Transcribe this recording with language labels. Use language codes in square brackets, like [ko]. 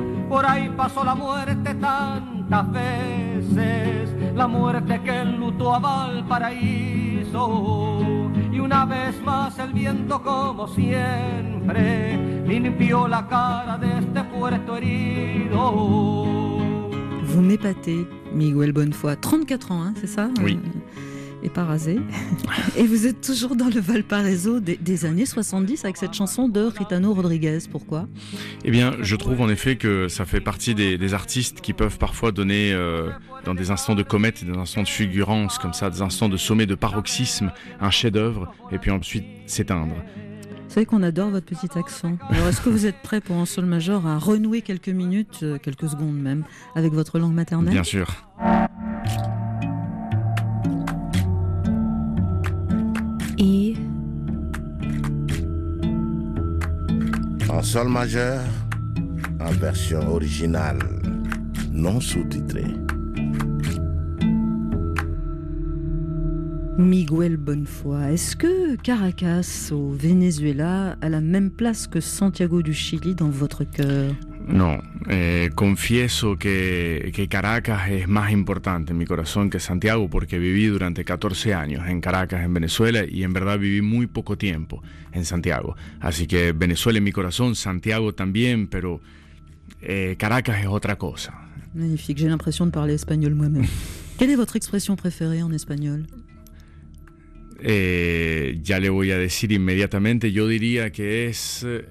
[es] Por ahí pasó la muerte tantas veces, la muerte que enlutó a Valparaíso. Y una vez más el viento, como siempre, limpió la cara de este puerto herido. [fr] Vous m'épatez, Miguel Bonnefoy. 34 ans, hein, c'est ça? Oui. Et pas rasé. Et vous êtes toujours dans le Valparaiso des années 70 avec cette chanson de Gitano Rodriguez. Pourquoi ? Eh bien, je trouve en effet que ça fait partie des artistes qui peuvent parfois donner, dans des instants de comète, des instants de fulgurance, comme ça, des instants de sommet, de paroxysme, un chef-d'œuvre, et puis ensuite s'éteindre. Vous savez qu'on adore votre petit accent. Alors, est-ce que vous êtes prêt pour un sol majeur à renouer quelques minutes, quelques secondes même, avec votre langue maternelle ? Bien sûr. En sol majeur, en version originale, non sous-titrée. Miguel Bonnefoy, est-ce que Caracas au Venezuela a la même place que Santiago du Chili dans votre cœur ? [es] Non, confieso que Caracas es más importante en mi corazón que Santiago, porque viví durante 14 años en Caracas, en Venezuela, y en verdad viví muy poco tiempo en Santiago. Así que Venezuela en mi corazón, Santiago también, pero Caracas es otra cosa. [fr] Magnifique, j'ai l'impression de parler espagnol moi-même. Quelle est votre expression préférée en espagnol? [es] Ya le voy a decir inmediatamente, yo diría que es...